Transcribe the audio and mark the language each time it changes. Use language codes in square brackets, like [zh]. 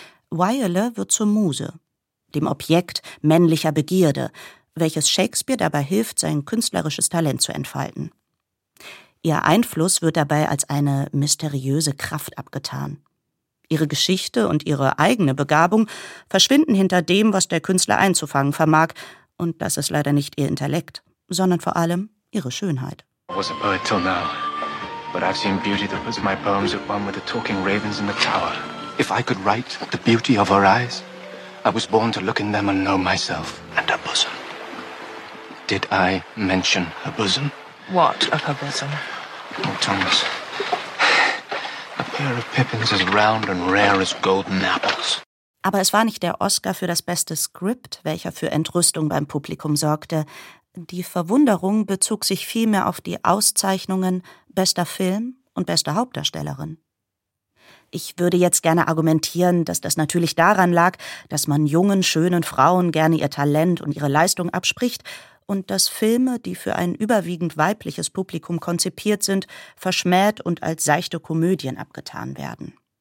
[de] Viola wird zur Muse, dem Objekt männlicher Begierde, welches Shakespeare dabei hilft, sein künstlerisches Talent zu entfalten. Ihr Einfluss wird dabei als eine mysteriöse Kraft abgetan. Ihre Geschichte und ihre eigene Begabung verschwinden hinter dem, was der Künstler einzufangen vermag. Und das ist leider nicht ihr Intellekt, sondern vor allem ihre Schönheit. [en] I was a poet till now, but I've seen beauty that puts my poems at one with the talking ravens in the tower. If I could write the beauty of her eyes, I was born to look in them and know myself and her bosom. Did I mention her bosom? What of her bosom? Oh, Thomas, a pair of pippins as round and rare as golden apples. [de] Aber es war nicht der Oscar für das beste Skript, welcher für Entrüstung beim Publikum sorgte. Die Verwunderung bezog sich vielmehr auf die Auszeichnungen bester Film und bester Hauptdarstellerin. Ich würde jetzt gerne argumentieren, dass das natürlich daran lag, dass man jungen, schönen Frauen gerne ihr Talent und ihre Leistung abspricht und dass Filme, die für ein überwiegend weibliches Publikum konzipiert sind, verschmäht und als seichte Komödien abgetan werden.